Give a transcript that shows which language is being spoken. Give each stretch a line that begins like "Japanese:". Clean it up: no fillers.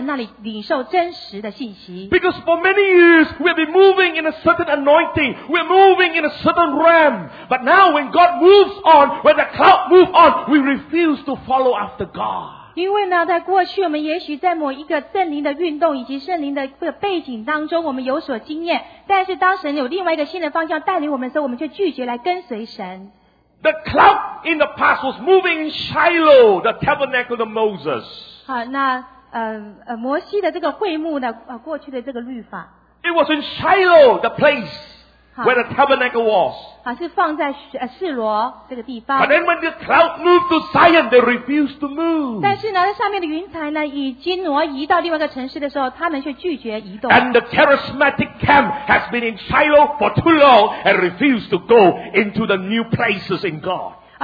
Chinese: 亲爱的弟兄姊妹，有时候我们在这里所听的，我们过去这种灵恩的背景，或者是我们这种教义的背景，就拦阻了我们从至高神那里领受真实的信息。
English: Because for many years we have been moving in a certain anointing, we're moving in a certain realm, but now when God moves on, when the cloud moves on, we refuse to follow after God.
Chinese: 因为呢，在过去我们也许在某一个圣灵的运动以及圣灵的背景当中，我们有所经验。但是当神有另外一个新的方向带领我们的时候，我们却拒绝来跟随神。
English: The cloud in the past was moving in Shiloh, the tabernacle of Moses.
Chinese: 好，那摩西的这个会幕呢，过去的这个律法。
English: It was in Shiloh, the place where the tabernacle was.
Chinese: 是放在示罗这个地方。
English: But then when the cloud moved to Zion, they refused to move.
Chinese: 但是呢，上面的云彩呢，已经挪移到另外一个城市的时候，他们却拒绝移动。
English: And the charismatic camp has been in Shiloh for too long and refused to go into the new places in God.